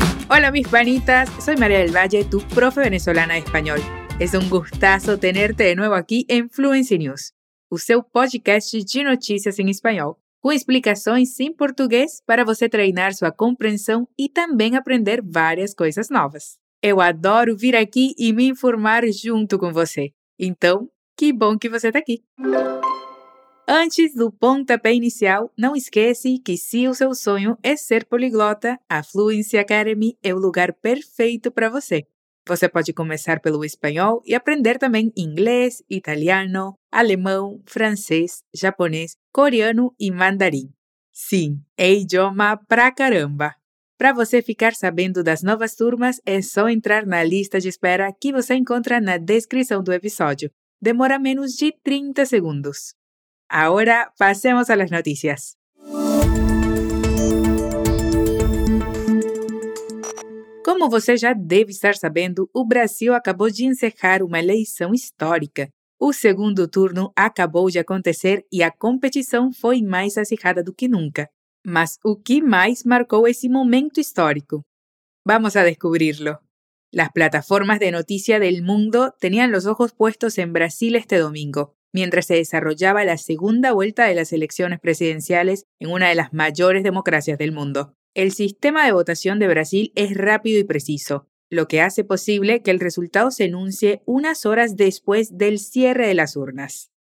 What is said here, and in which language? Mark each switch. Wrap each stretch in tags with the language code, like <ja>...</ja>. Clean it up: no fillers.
<es>Hola mis panitas, soy María del Valle, tu profe venezolana de español.</es> <pt>Es un gustazo tenerte de nuevo aquí en Fluency News, o seu podcast de notícias em espanhol, com explicações em português para você treinar sua compreensão e também aprender várias coisas novas. Eu adoro vir aqui e me informar junto com você. Então, que bom que você está aqui! Antes do pontapé inicial, não esquece que se o seu sonho é ser poliglota, a Fluency Academy é o lugar perfeito para você. Você pode começar pelo espanhol e aprender também inglês, italiano, alemão, francês, japonês, coreano e mandarim. Sim, é idioma pra caramba! Para você ficar sabendo das novas turmas, é só entrar na lista de espera que você encontra na descrição do episódio. Demora menos de 30 segundos.</pt> <es>Ahora pasemos a las noticias.</es> <pt>Como você já deve estar sabendo, o Brasil acabou de encerrar uma eleição histórica. O segundo turno acabou de acontecer e a competição foi mais acirrada do que nunca. Mas o que mais marcou esse momento histórico?</pt> <es>Vamos a descobrirlo. Las plataformas de noticia del mundo tenían los ojos puestos en Brasil este domingo, mientras se desarrollaba la segunda vuelta de las elecciones presidenciales en una de las mayores democracias del mundo. El sistema de votación de Brasil es rápido y preciso, lo que hace posible que el resultado se anuncie unas horas después del cierre de las urnas.</es>